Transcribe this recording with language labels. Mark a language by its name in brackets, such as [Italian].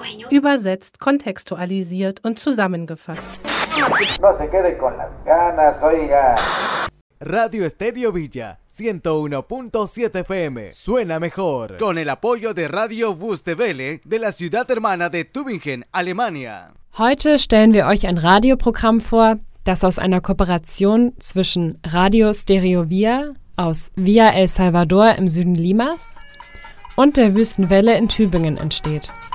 [German] Übersetzt, kontextualisiert und zusammengefasst. [Spanish] No se quede con las ganas, oiga. Radio Estéreo Villa, 101.7 FM. Suena mejor. Con el apoyo de Radio Wustewelle de la ciudad hermana de Tübingen, Alemania. [German] Heute stellen wir euch ein Radioprogramm vor, das aus einer Kooperation zwischen Radio Estéreo Villa aus Villa El Salvador im Süden Limas und der Wüstenwelle in Tübingen entsteht.